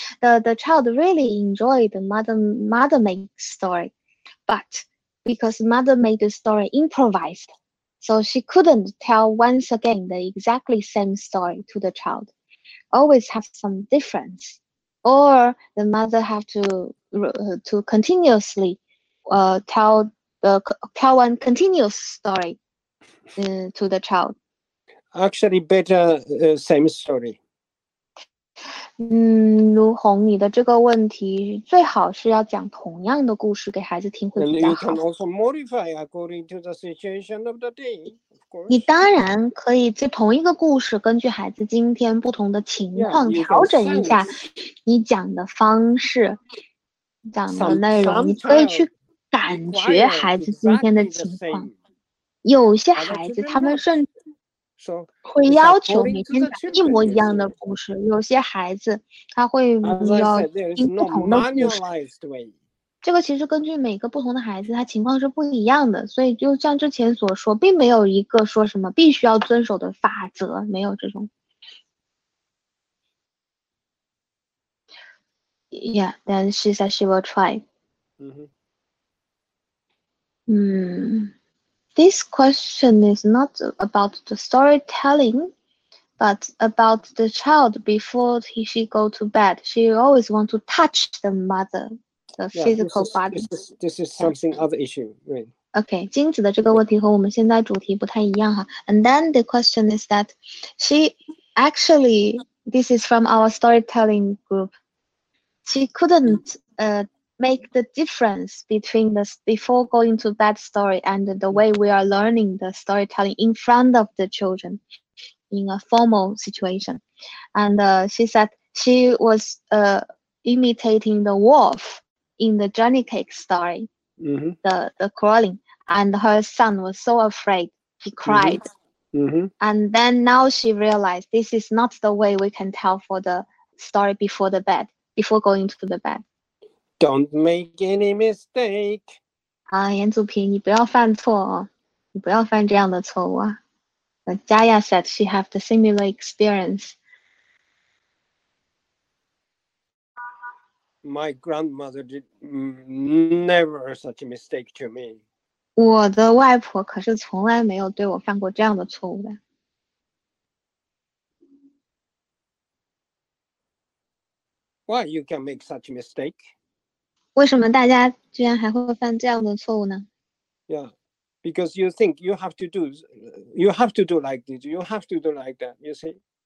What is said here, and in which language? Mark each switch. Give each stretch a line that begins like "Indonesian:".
English: The child really enjoyed the mother made story, but because mother made the story improvised,So she couldn't tell once again the exactly same story to the child. Always have some difference. Or the mother have to continuously tell one continuous story to the child. Actually, better same story.
Chinese: 卢红，你的这个问题最好是要讲同样的故事给孩子听会比较好。
English: And you can also modify according to the situation of the day, of course.
Chinese: 你当然可以在同一个故事根据孩子今天不同的情况调整一下你讲的方式、讲的内容，你可以去感觉孩子今天的情况。有些孩子他们甚至会要求每天讲一模一样的故事，有些孩子他会要听不同的故事，这个其实根据每个不同的孩子他情况是不一样的，所以就像之前所说，并没有一个说什么必须要遵守的法则，没有这种。
English: Yeah, then she said she will try. This question is not about the storytelling, but about the child before she go to bed. She always want to touch the mother, the physical body. This is something other issue, right?
Chinese: Okay, 金子的这个问题和我们现在主题不太一样哈。
English: And then the question is that she actually, this is from our storytelling group, she couldn't, make the difference between the before going to bed story and the way we are learning the storytelling in front of the children in a formal situation. And she said she was imitating the wolf in the journey cake story,、 mm-hmm. the crawling, and her son was so afraid, he cried.、 Mm-hmm. And then now she realized this is not the way we can tell for the story before the bed, before going to the bed. Don't make any mistake.
Chinese: 严祖平，你不要犯错哦，你不要犯这样的错误啊。
English: Jaya said she had the similar experience. My grandmother did never such a mistake to me.
Chinese: 我的外婆可是从来没有对我犯过这样的错误的。
English: Why you can make such a mistake?
Chinese: 为什么大家居然还会犯这样的错误呢？
English: Yeah. Because you think you have to do like this, you have to do like that, you see?